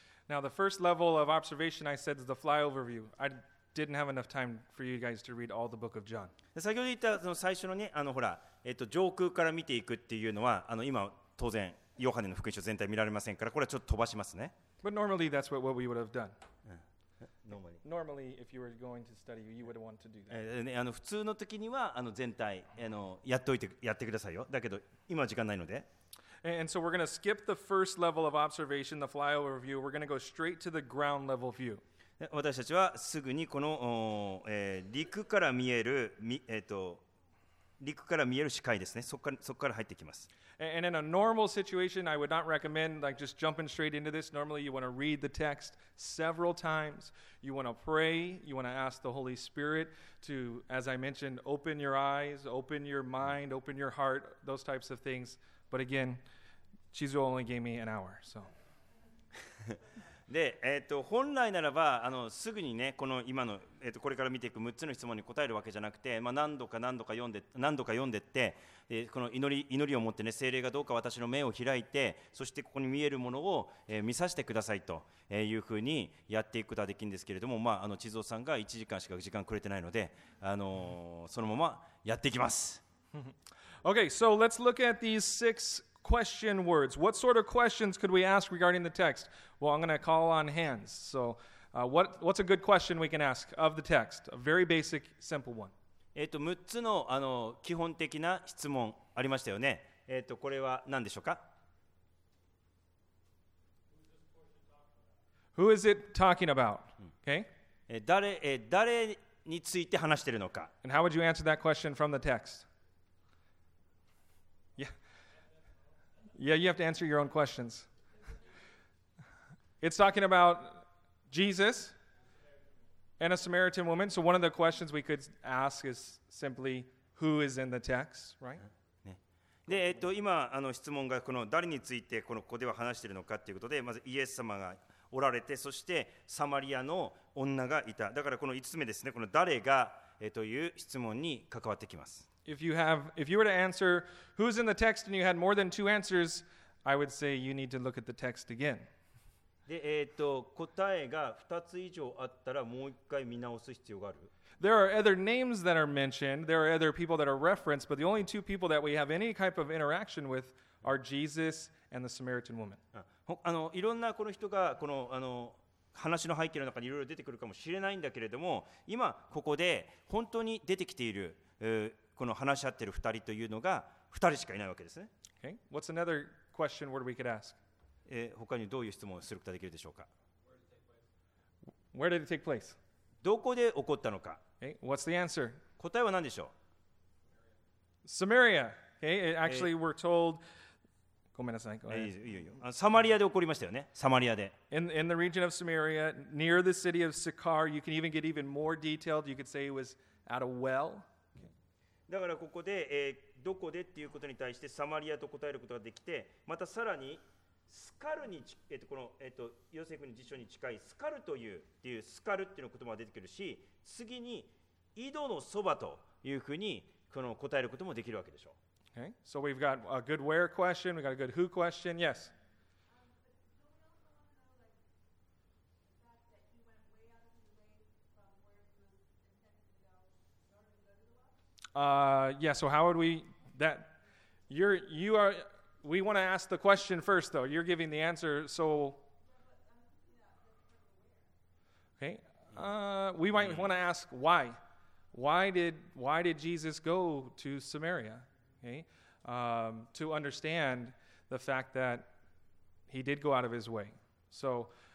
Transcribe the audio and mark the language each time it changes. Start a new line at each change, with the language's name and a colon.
English: Now, the first level of observation I said is the flyover view. I didn't have enough time for you guys to read all the book of John.
Japanese: 先ほど言ったその最初のね、ほら、上空から見ていくっていうのは、今、当然、ヨハネの福音書全体見られませんから、これはちょっと飛ばしますね。
English: But normally, that's what we would have done. Normally, if you were going to study, you would want to do that.
Japanese: 普通の時には、全体、やっといて、やってくださいよ。だけど、今は時間ないので。
English: And so we're going to skip the first level of observation, the flyover view. We're going to go straight to the ground level view.
Japanese: 私たちはすぐにこの、陸から見える、陸から見える視界ですね。そっから入ってきます。
English: And in a normal situation, I would not recommend like just jumping straight into this. Normally, you want to read the text several times. You want to pray. You want to ask the Holy Spirit to, as I mentioned, open your eyes, open your mind, open your heart, those types of things. But again, Chizu only gave me an hour, so.
Japanese: で、本来ならば、すぐにね、この今の、これから見ていく6つの質問に答えるわけじゃなくて、まあ、何度か読んでって、この祈りを持ってね、聖霊がどうか私の目を開いて、そしてここに見えるものを、見させてくださいというふうにやっていくことができるんですけれども、まあ、千蔵さんが1時間しか時間くれてないので、そのままやっていきます。
English: Okay, so let's look at these six question words. What sort of questions could we ask regarding the text? Well, I'm going to call on hands. So, what's a good question we can ask of the text? A very basic, simple one.
Japanese: 6つの、基本的な質問ありましたよね。これは何でしょうか?
English: Who is it talking about? Okay.
Japanese: 誰について話しているのか?
English: And how would you answer that question from the text? Yeah, you have to answer your own questions. It's talking about Jesus and a Samaritan woman. So one of the questions we could ask is simply, who is in the text, right?
Japanese: で、今質問がこの誰についてこのここでは話しているのかということで、まずイエス様がおられて、そしてサマリアの女がいた。だからこの5つ目ですね、この誰が、という質問に関わってきます。
English: If you were to answer who's in the text and you had more than two answers, I would say you need to look at the text again.
Japanese: で、答えが2つ以上あったらもう一回見直す必要がある。
English: There are other names that are mentioned. There are other people that are referenced, but the only two people that we have any type of interaction with are Jesus and the Samaritan woman.
Japanese: いろんなこの人がこの話の背景の中にいろいろ出てくるかもしれないんだけれども、今ここで本当に出てきている、この話し合ってる2人というのが2人しかいないわけですね。
English: Okay. What's another question word we could ask?
Japanese: 他にどういう質問をすることができるでしょうか?
English: Where did it take place?
Japanese: どこで起こったのか?
English: Okay. What's the answer?
Japanese: 答えは何でしょう?
English: Samaria. Okay. Actually, we're told...
Japanese: ごめんなさい。ごめんなさい。いいよ、いいよ。サマリアで起こりましたよね。サマリアで。
English: In the region of Samaria, near the city of Sychar, you can even get even more detailed. You could say it was at a well.
Japanese: だからここで、どこでっていうことに対してサマリアと答えることができて、またさらにスカルに、この、ヨセフの辞書に近いスカルというっていうスカルっていうの言葉が出てくるし、次に井戸のそばというふうにこの答えることもできるわけでしょう。
English: Okay. So we've got a good where question, we've got a good who question, yes. Yeah, so how would we, that, you are, we want to ask the question first though, you're giving the answer, so, okay, we might want to ask why did Jesus go to Samaria, okay, to understand the fact that he did go out of his way, so,